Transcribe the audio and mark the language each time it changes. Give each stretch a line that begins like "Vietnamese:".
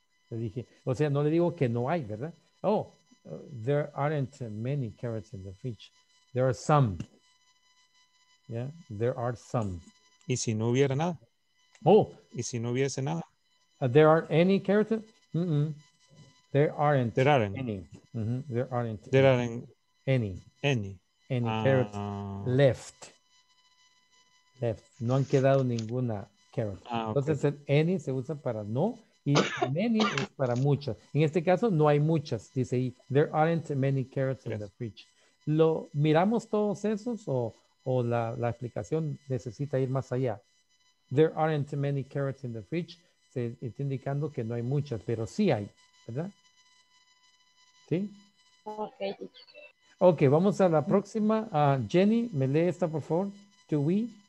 Spanish: Le dije, o sea, no le digo que no hay, ¿verdad?
English: Oh, there aren't many carrots in the fridge. There are some. Yeah, there are some.
Spanish: ¿Y si no hubiera nada? Oh. ¿Y si no hubiese nada?
English: There are any carrots? Mm-mm. There aren't any. Mm-hmm. There aren't. There aren't any. Any carrots left. Left.
Spanish: No han quedado ninguna carrot. Entonces, el any se usa para no y many es para muchas. En este caso, no hay muchas. Dice ahí,
English: there aren't many carrots in the fridge.
Spanish: ¿Lo miramos todos esos o la explicación necesita ir más allá?
English: There aren't many carrots in the fridge.
Spanish: Se está indicando que no hay muchas, pero sí hay, ¿verdad? ¿Sí?
English: Okay.
Spanish: Ok, vamos a la próxima. Jenny, me lee esta, por favor.
English: Do we?